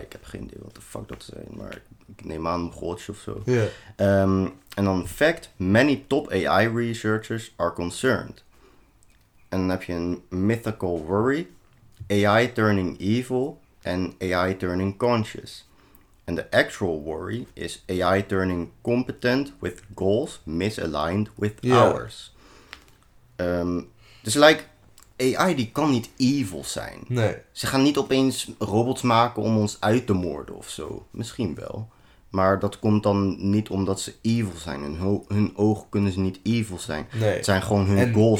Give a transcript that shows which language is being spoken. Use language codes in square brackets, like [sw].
[nl] Ik heb geen idee wat de fuck dat zijn, maar ik neem aan een godje of zo. Ja. En dan [en] fact. Many top AI researchers are concerned. [nl] En dan heb je een mythical worry. [en] AI turning evil and AI turning conscious. And the actual worry is AI turning competent with goals misaligned with ours. [nl] Dus like, AI die kan niet evil zijn. Nee. Ze gaan niet opeens robots maken om ons uit te moorden of zo. Misschien wel. Maar dat komt dan niet omdat ze evil zijn. Hun ogen kunnen ze niet evil zijn. Nee. Het zijn gewoon hun en goals.